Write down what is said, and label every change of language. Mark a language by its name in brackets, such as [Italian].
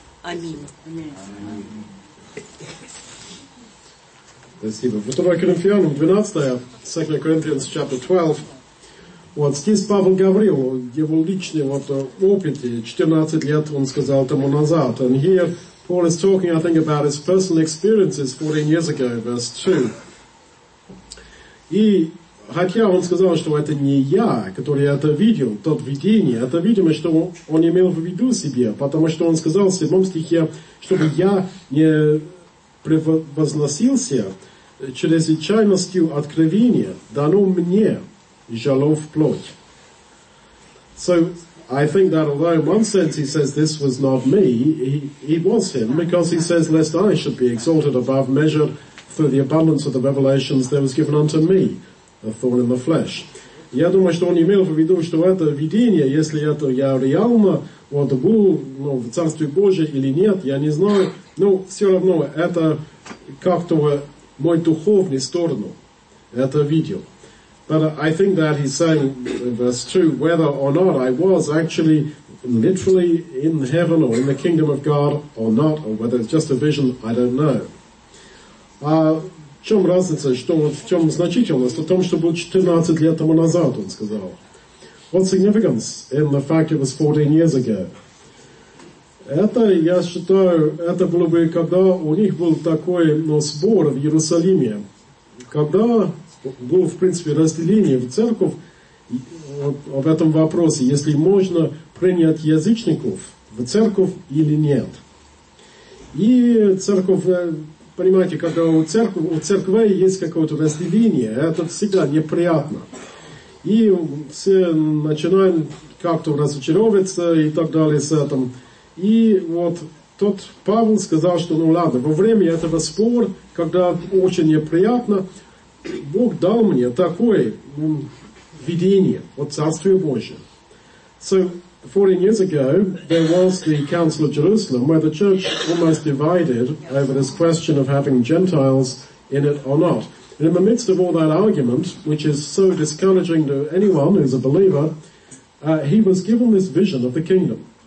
[Russian] Аминь. Спасибо. В Второй Коринфянам, 12, 2 Коринфянам, [English] chapter 12. [Russian] Вот здесь Павел говорил о его личном опыте. 14 лет он сказал тому назад. [English] And here Paul is talking, I think, about his personal experiences 14 years ago, verse 2. [Russian] И хотя он сказал, что это не я, который это видел, тот видение, это видимо, что он имел в виду себе, потому что он сказал в 7 стихе, чтобы я не превозносился, через чрезвычайностью откровения дано мне жало в плоть. [English] So, I think that although in one sense he says this was not me, he was him, because he says, lest I should be exalted above measure through the abundance of the revelations that was given unto me, a thorn in the flesh. [Russian] Я думаю, что он имел в виду, что это видение, если это я реально вот был, ну, в Царстве Божьем или нет, я не знаю, но все равно это как-то мой духовный сторону это видел. [English] But I think that he's saying, verse 2, whether or not I was actually literally in heaven or in the kingdom of God or not, or whether it's just a vision, I don't know. [Russian] В чем разница, что, в чем значительность? В том, что был 14 лет тому назад, он сказал. [English] What significance in the fact it was 14 years ago? [Russian] Это, я считаю, это было бы, когда у них был такой, ну, сбор в Иерусалиме. Когда было, в принципе, разделение в церковь об этом вопросе, если можно принять язычников в церковь или нет. И церковь, понимаете, когда у церкви есть какое-то разделение, это всегда неприятно. И все начинают как-то разочаровываться и так далее с этим. И вот тот Павел сказал, что ну ладно, во время этого спора, когда очень неприятно, Бог дал мне такое видение о Царстве Божьем. [English] So, 14 years ago, there was the Council of Jerusalem, where the church almost divided over this question of having Gentiles in it or not. And in the midst of all that argument, which is so discouraging to anyone who's a believer, he was given this vision of the kingdom.